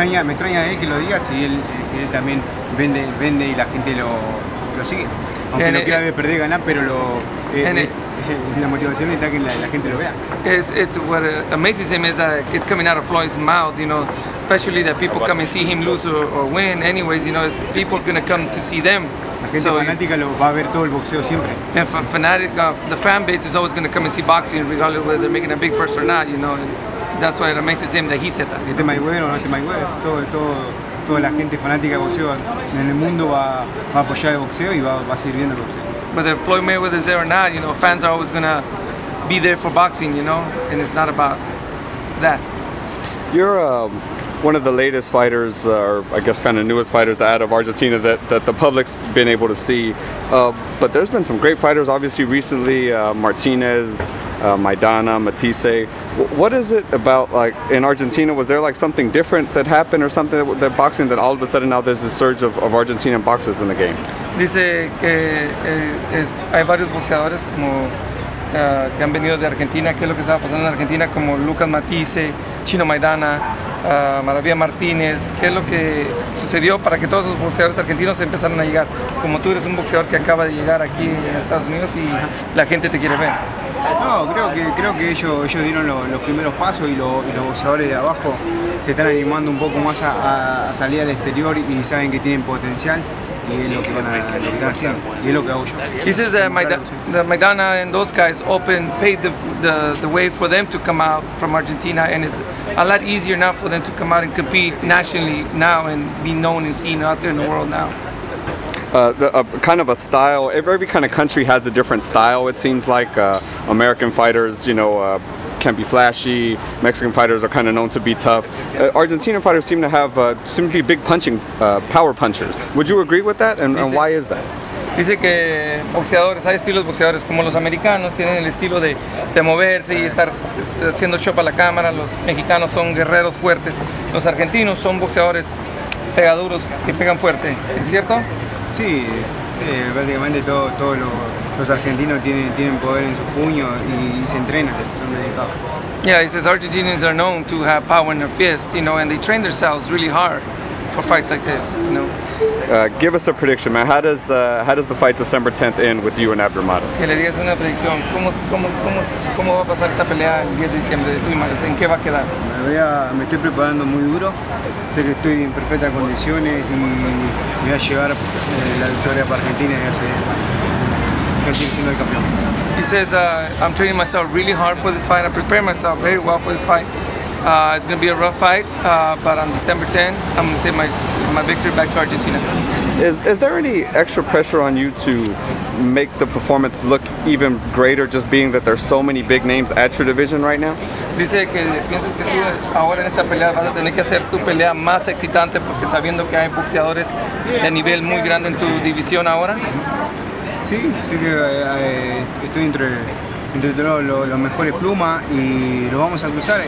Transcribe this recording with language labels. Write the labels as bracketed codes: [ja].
[es] me extraña él que lo diga si él también vende y la gente lo sigue. Aunque no quiera ver perder ganar, pero la motivación está que la gente lo vea. [en] It's what amazes him is that it's coming out of Floyd's mouth, especially that people come and see him lose or win. Anyways, it's people gonna come to see them. So, fanática lo va a ver todo el boxeo siempre. And the fan base is always gonna come and see boxing, regardless of whether they're making a big purse or not. That's why it amazes him that he said that. [es] Este Mayweather o no este Mayweather, toda la gente fanática de boxeo en el mundo va a apoyar el boxeo y va a seguir viendo el boxeo. [en] Whether Floyd Mayweather is there or not, fans are always gonna be there for boxing, and it's not about that. You're one of the latest fighters, or I guess kind of newest fighters out of Argentina that the public's been able to see. But there's been some great fighters, obviously, recently, Martinez, Maidana, Matisse. What is it about, like, in Argentina, was there, like, something different that happened or something that boxing, that all of a sudden now there's this surge of Argentinian boxers in the game? [es] Dice que hay varios boxeadores como... que han venido de Argentina, qué es lo que estaba pasando en Argentina, como Lucas Matisse, Chino Maidana, Maravilla Martínez, qué es lo que sucedió para que todos los boxeadores argentinos empezaran a llegar. Como tú eres un boxeador que acaba de llegar aquí en Estados Unidos y la gente te quiere ver. No, creo que ellos dieron los primeros pasos y los boxeadores de abajo se están animando un poco más a salir al exterior y saben que tienen potencial. [en] He says that Maidana and those guys paid the way for them to come out from Argentina, and it's a lot easier now for them to come out and compete nationally now and be known and seen out there in the world now. Kind of a style, every kind of country has a different style, it seems like. American fighters, can be flashy. Mexican fighters are kind of known to be tough. Argentina fighters seem to be big punching, power punchers. Would you agree with that? And why is that? [es] Dice que boxeadores, hay estilos boxeadores como los americanos, tienen el estilo de moverse y estar haciendo show para la cámara. Los mexicanos son guerreros fuertes. Los argentinos son boxeadores pegaduros que pegan fuerte. ¿Es cierto? Sí, prácticamente todo lo... Los argentinos tienen poder en sus puños y se entrenan, son dedicados. [en] Yeah, he says Argentinians are known to have power in their fists, and they train themselves really hard for fights like this, Give us a prediction, man. How does the fight December 10th end with you and Abdermatos? [es] Que le digas una predicción. ¿Cómo va a pasar esta pelea el 10 de diciembre de tu y Marcos? ¿En qué va a quedar? Me estoy preparando muy duro. Sé que estoy en perfectas condiciones y me voy a llevar la victoria para Argentina y hacer... [en] He says, I'm training myself really hard for this fight. I prepare myself very well for this fight. It's going to be a rough fight, but on December 10th, I'm going to take my victory back to Argentina. Is there any extra pressure on you to make the performance look even greater, just being that there's so many big names at your division right now? [es] Dice que piensas que tú ahora en esta pelea vas a tener que hacer tu pelea más excitante porque sabiendo que hay boxeadores de nivel muy grande en tu división ahora. Sí, sí que estoy entre todos los mejores plumas y lo vamos a cruzar.